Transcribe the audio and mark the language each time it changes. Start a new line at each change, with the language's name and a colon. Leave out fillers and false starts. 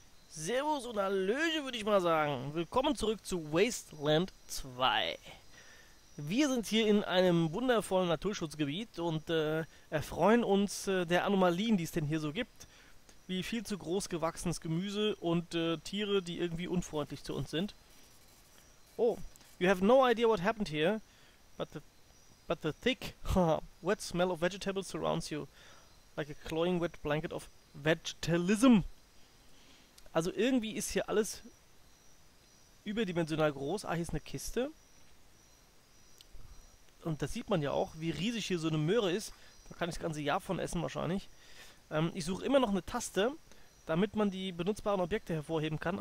German: Servus und Hallöche, würde ich mal sagen. Willkommen zurück zu Wasteland 2. Wir sind hier in einem wundervollen Naturschutzgebiet und erfreuen uns der Anomalien, die es denn hier so gibt. Wie viel zu groß gewachsenes Gemüse und Tiere, die irgendwie unfreundlich zu uns sind.
English: Oh, you have no idea what happened here, but the thick, wet smell of vegetables surrounds you, like a cloying wet blanket of vegetalism.
German: Also irgendwie ist hier alles überdimensional groß. Ah, hier ist eine Kiste. Und das sieht man ja auch, wie riesig hier so eine Möhre ist. Da kann ich das ganze Jahr von essen wahrscheinlich. Ich suche immer noch eine Taste, damit man die benutzbaren Objekte hervorheben kann.